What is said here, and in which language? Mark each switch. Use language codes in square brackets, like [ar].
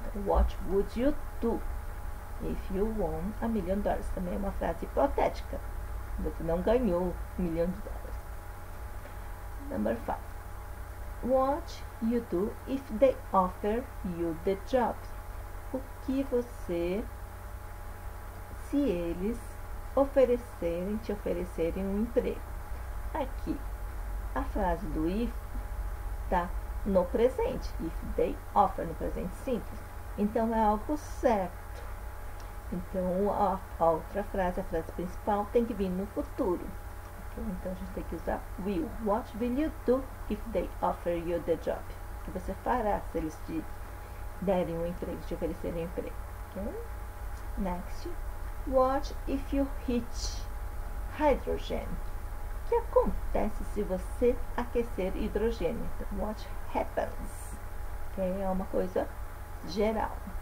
[en] Então, what would you do if you won $1 million? [pt] Também é uma frase hipotética. Você não ganhou US$ 1 milhão. [en] Number 5. What you do if they offer you the job? [pt] O que você, se eles oferecerem, te oferecerem um emprego? Aqui, a frase do if está no presente. [en] If they offer [pt] no presente simples. Então, é algo certo. Então, a outra frase, a frase principal, tem que vir no futuro. Então, a gente tem que usar will. [en] What will you do if they offer you the job? [pt] O que você fará se eles te derem um emprego, te oferecerem um emprego? [en] Okay? Next. What if you heat hydrogen? [pt] O que acontece se você aquecer hidrogênio? Então, [en] what happens? [pt] Okay? É uma coisa geral.